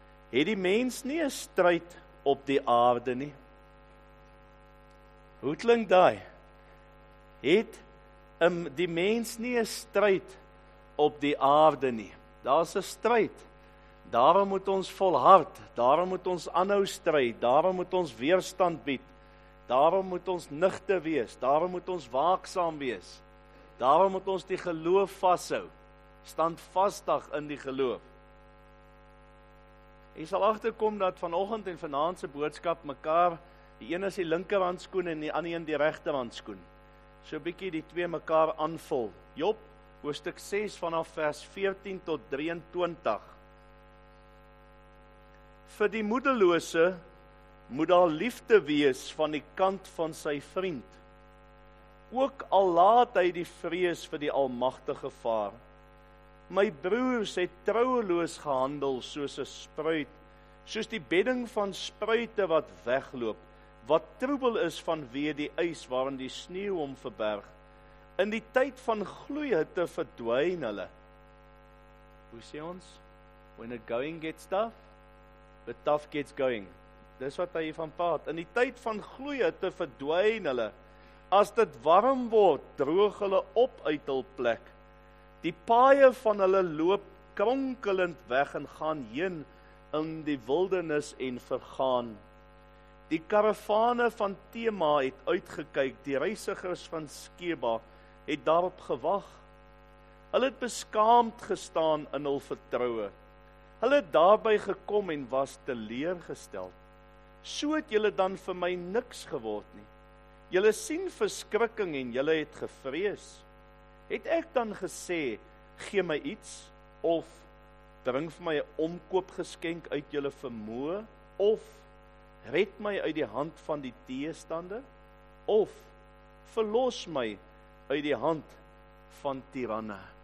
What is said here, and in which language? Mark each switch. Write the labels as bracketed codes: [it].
[af] Het die mens nie 'n stryd op die aarde nie? Hoe klink daai? Het die mens nie 'n stryd op die aarde nie? Daar's 'n stryd. Daarom moet ons volhard, daarom moet ons aanhou stry, daarom moet ons weerstand bied. Daarom moet ons nigter wees, daarom moet ons waaksaam wees. Daarom moet ons die geloof vashou. Standvastig in die geloof. Jy sal agterkom dat vanoggend en vanaand se boodskap mekaar, die een is die linkerhandskoen en die ander een die regterhandskoen. So 'n bietjie die twee mekaar aanvul. Job hoofstuk 6 vanaf vers 14 tot 23. Vir die moedelose moet daar liefde wees van die kant van sy vriend, ook al laat hy die vrees vir die Almagtige vaar. My broers het troueloos gehandel soos 'n spruit, soos die bedding van spruite wat wegloop, wat troebel is vanweë die ys waarin die sneeu hom verberg. In die tyd van gloeihitte verdwyn hulle. Hoe sê ons? [en] When the going gets tough, the tough gets going. [af] Dis wat hy van praat. In die tyd van gloeihitte verdwyn hulle. As dit warm word, droog hulle op uit hul plek. Die paaie van hulle loop kronkelend weg en gaan heen in die wildernis en vergaan. Die karavane van Tema het uitgekyk, die reisigers van Skeba het daarop gewag. Hulle het beskaamd gestaan in hul vertroue. Hulle het daarby gekom en was teleurgestel. So het julle dan vir my niks geword nie. Julle sien verskrikking en julle het gevrees. Het ek dan gesê, gee my iets, of bring vir my 'n omkoopgeskenk uit julle vermoë, of red my uit die hand van die teestande, of verlos my uit die hand van tiranne.